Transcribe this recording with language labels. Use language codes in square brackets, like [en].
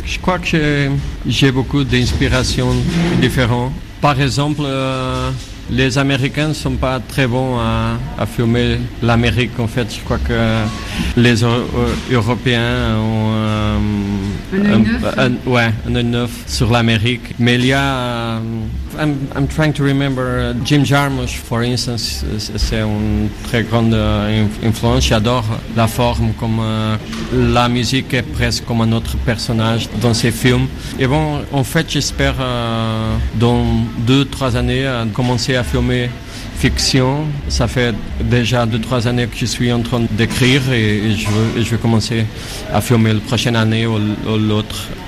[fr] Je crois que j'ai beaucoup d'inspirations différentes. Par exemple, les Américains ne sont pas très bons à filmer l'Amérique. En fait, je crois que les Européens ont un œil neuf sur l'Amérique. Mais il y a... [en] I'm trying to remember Jim Jarmusch, for instance. [fr] C'est une très grande influence. J'adore la forme, comme la musique est presque comme un autre personnage dans ses films. Et bon, en fait, j'espère dans 2-3 années commencer à filmer fiction. Ça fait déjà 2-3 années que je suis en train d'écrire et je veux commencer à filmer la prochaine année ou l'autre.